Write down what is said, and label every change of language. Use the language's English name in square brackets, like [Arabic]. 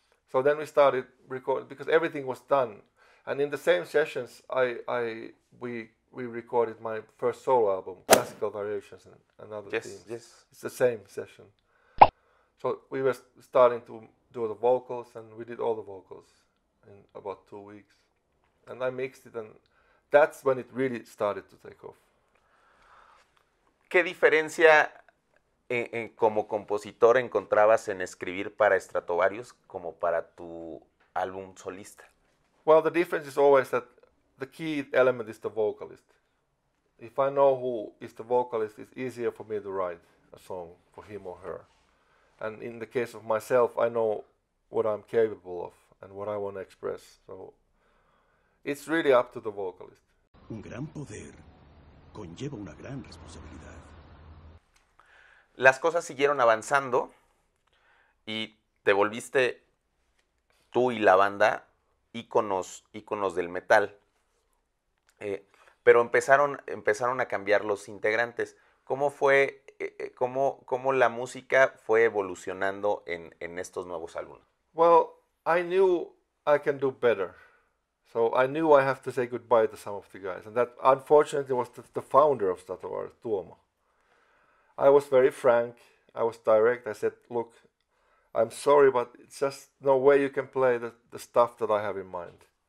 [English] So then we started recording, because everything was done. And in the same sessions, we recorded my first solo album, Classical Variations, and another yes, themes. Yes. It's the same session. So we were starting to do the vocals, and we did all the vocals in about 2 weeks. And I mixed it, and that's when it really started to take off. [Spanish] ¿Qué diferencia como compositor encontrabas en escribir para Stratovarius como para tu álbum solista? [English] Well, the difference is always that the key element is the vocalist. If I know who is the vocalist, it's easier for me to write a song for him or her. And in the case of myself, I know what I'm capable of and what I want to express. So it's really up to the vocalist. [Spanish] Un gran poder conlleva una gran responsabilidad. Las cosas siguieron avanzando y te volviste tú y la banda íconos del metal. Pero empezaron a cambiar los integrantes. ¿Cómo fue cómo la música fue evolucionando en estos nuevos álbumes? [English] Well, I knew I can do better. So I knew I have to say goodbye to some of the guys, and that unfortunately was the founder of Stratovarius, Tuomo. I was very frank, I was direct, I said, look, I'm sorry, but it's just no way you can play the stuff that I have in mind.